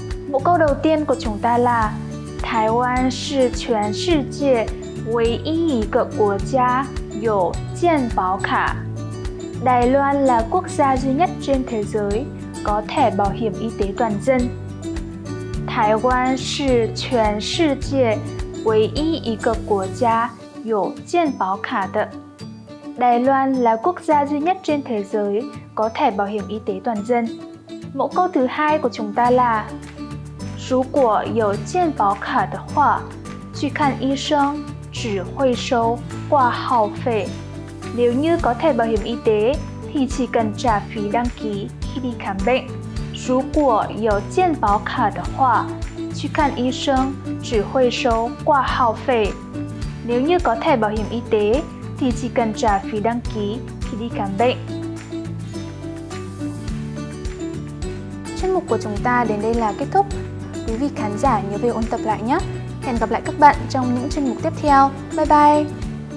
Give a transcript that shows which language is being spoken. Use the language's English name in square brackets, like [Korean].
[Vietnamese] Bộ câu đầu tiên của chúng ta là Thái Quan sư chuyển sư chia [Chinese] 唯一一个国家有健保卡。 [Vietnamese] 台湾 là quốc gia duy nhất trên thế giới có thẻ bảo hiểm y tế toàn dân。 [Chinese] 台湾是全世界唯一一个国家有健保卡的。 [Vietnamese] 台湾 là quốc gia duy nhất trên thế giới có thẻ bảo hiểm y tế toàn dân。 Mẫu câu thứ hai của chúng ta là [Chinese] 如果有健保卡的话去看医生只会收挂号费。 [Vietnamese] Nếu như có thẻ bảo hiểm y tế thì chỉ cần trả phí đăng ký khi đi khám bệnh. [Chinese] 如果有健保卡的话去看医生只会收挂号费。 [Vietnamese] Nếu như có thẻ bảo hiểm y tế thì chỉ cần trả phí đăng ký khi đi khám bệnh. Chuyên mục của chúng ta đến đây là kết thúc. Quý vị khán giả nhớ về ôn tập lại nhé. Hẹn gặp lại các bạn trong những chuyên mục tiếp theo. Bye bye!